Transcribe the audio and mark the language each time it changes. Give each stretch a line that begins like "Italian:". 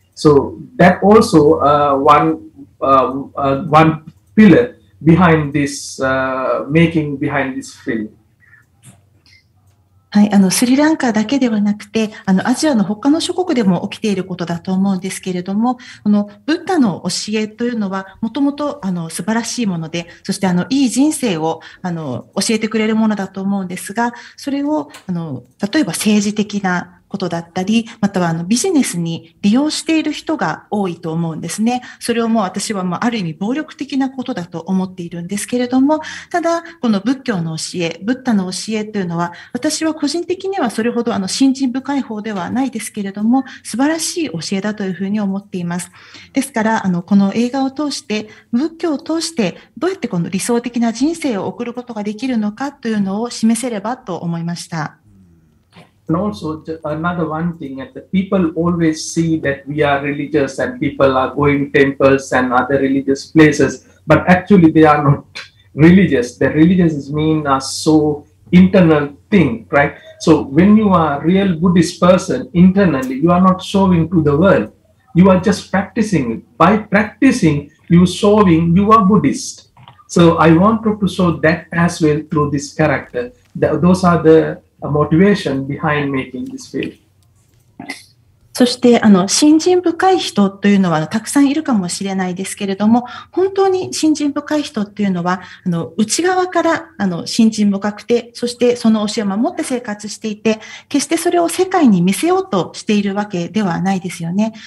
English: So that also one pillar behind this making behind this film.
Japanese: はい、スリランカだけではなくて、アジアの他の諸国でも起きていることだと思うんですけれども、このブッダの教えというのは、もともと素晴らしいもので、そしていい人生を教えてくれるものだと思うんですが、それを例えば政治的なことだったり、またはビジネスに利用している人が多いと思うんですね。それをもう私はもうある意味暴力的なことだと思っているんですけれども、ただこの仏教の教え、ブッダの教えというのは、私は個人的にはそれほど信心深い方ではないですけれども、素晴らしい教えだというふうに思っています。ですから、この映画を通して、仏教を通してどうやってこの理想的な人生を送ることができるのかというのを示せればと思いました。
English: And also another one thing, that the people always see that we are religious and people are going to temples and other religious places. but actually they are not religious. The religious mean a so internal thing, right? So when you are a real Buddhist person, internally, you are not showing to the world. You are just practicing. By practicing, you showing you are Buddhist. So I wanted to show that as well through this character. Those are the motivation behind making this film.
Japanese: そして信心深い人というのはたくさんいるかもしれないですけれども、本当に信心深い人というのは内側から信心深くて、そしてその教えを守って生活していて、決してそれを世界に見せようとしているわけではないですよね。